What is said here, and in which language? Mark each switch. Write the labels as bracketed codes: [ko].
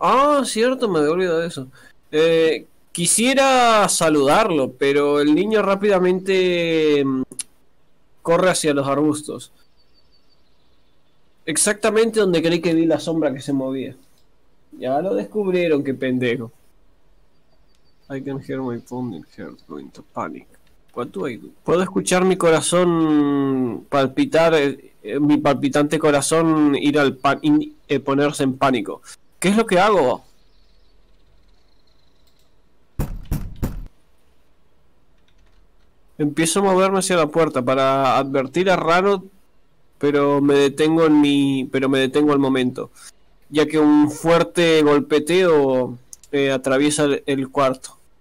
[es] Ah, cierto, me había olvidado de eso. Quisiera saludarlo, pero el niño rápidamente corre hacia los arbustos. Exactamente donde creí que vi la sombra que se movía. Ya lo descubrieron, qué pendejo. [en] I can hear my pounding heart going to panic. What do I do? [es] Puedo escuchar mi corazón palpitar. Mi palpitante corazón ir al pan y ponerse en pánico. ¿Qué es lo que hago? Empiezo a moverme hacia la puerta para advertir a Raro, pero me detengo en mi pero me detengo al momento, ya que un fuerte golpeteo atraviesa el cuarto.